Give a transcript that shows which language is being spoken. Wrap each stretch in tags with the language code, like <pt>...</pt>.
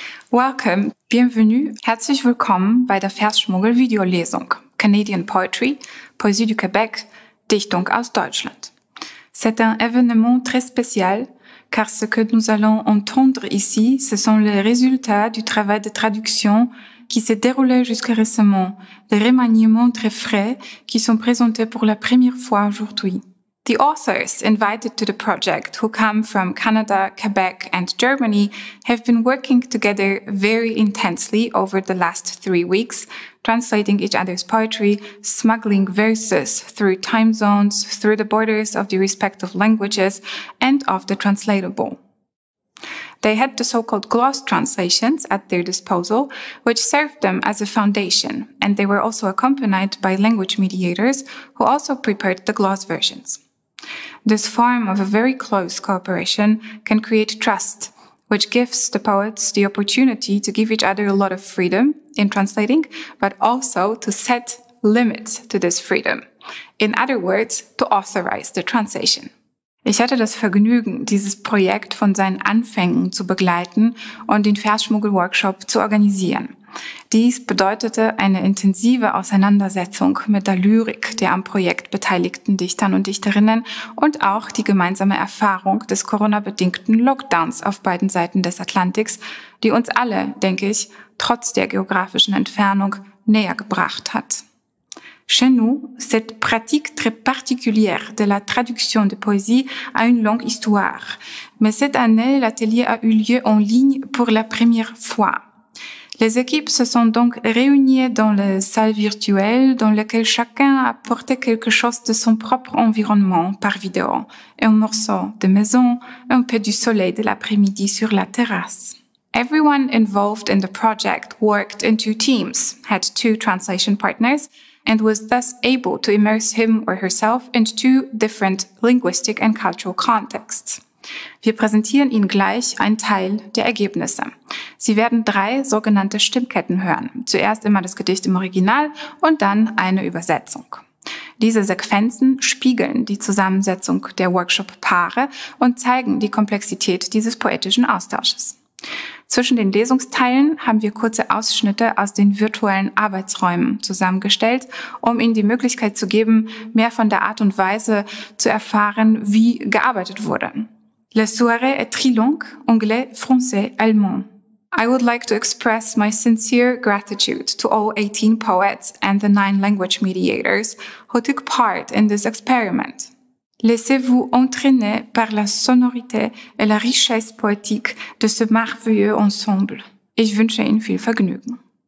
<en>Welcome,</en> <fr>bienvenue,</fr> <de>herzlich willkommen bei der Versschmuggel-Videolesung</de> <en>Canadian Poetry,</en> <fr>Poésie du Québec,</fr> <de>Dichtung aus Deutschland.</de> <fr>C'est un événement très spécial, car ce que nous allons entendre ici, ce sont les résultats du travail de traduction qui s'est déroulé jusqu'à récemment, des remaniements très frais qui sont présentés pour la première fois aujourd'hui.</fr> <en>The authors invited to the project, who come from Canada, Quebec, and Germany, have been working together very intensely over the last 3 weeks, translating each other's poetry, smuggling verses through time zones, through the borders of the respective languages, and of the translatable. They had the so-called gloss translations at their disposal, which served them as a foundation, and they were also accompanied by language mediators who also prepared the gloss versions. This form of a very close cooperation can create trust, which gives the poets the opportunity to give each other a lot of freedom in translating, but also to set limits to this freedom. In other words, to authorize the translation.</en> <de>Ich hatte das Vergnügen, dieses Projekt von seinen Anfängen zu begleiten und den Versschmuggel-Workshop zu organisieren. Dies bedeutete eine intensive Auseinandersetzung mit der Lyrik der am Projekt beteiligten Dichtern und Dichterinnen und auch die gemeinsame Erfahrung des Corona-bedingten Lockdowns auf beiden Seiten des Atlantiks, die uns alle, denke ich, trotz der geografischen Entfernung näher gebracht hat.</de> <fr>Chez nous, cette pratique très particulière de la traduction de poésie a une longue histoire, mais cette année, l'atelier a eu lieu en ligne pour la première fois. Les équipes se sont donc réunies dans la salle virtuelle dans laquelle chacun a apporté quelque chose de son propre environnement par vidéo, un morceau de maison, un peu du soleil de l'après-midi sur la terrasse.</fr> <en>Everyone involved in the project worked in two teams, had two translation partners, and was thus able to immerse him or herself in two different linguistic and cultural contexts.</en> <de>Wir präsentieren Ihnen gleich einen Teil der Ergebnisse. Sie werden drei sogenannte Stimmketten hören. Zuerst immer das Gedicht im Original und dann eine Übersetzung. Diese Sequenzen spiegeln die Zusammensetzung der Workshop-Paare und zeigen die Komplexität dieses poetischen Austausches. Zwischen den Lesungsteilen haben wir kurze Ausschnitte aus den virtuellen Arbeitsräumen zusammengestellt, um Ihnen die Möglichkeit zu geben, mehr von der Art und Weise zu erfahren, wie gearbeitet wurde.</de> <fr>La soirée est très longue, anglais, français, allemand.</fr> <en>I would like to express my sincere gratitude to all 18 poets and the 9 language mediators who took part in this experiment.</en> <fr>Laissez-vous entraîner par la sonorité et la richesse poétique de ce merveilleux ensemble.</fr> <de>Ich wünsche Ihnen viel Vergnügen.</de>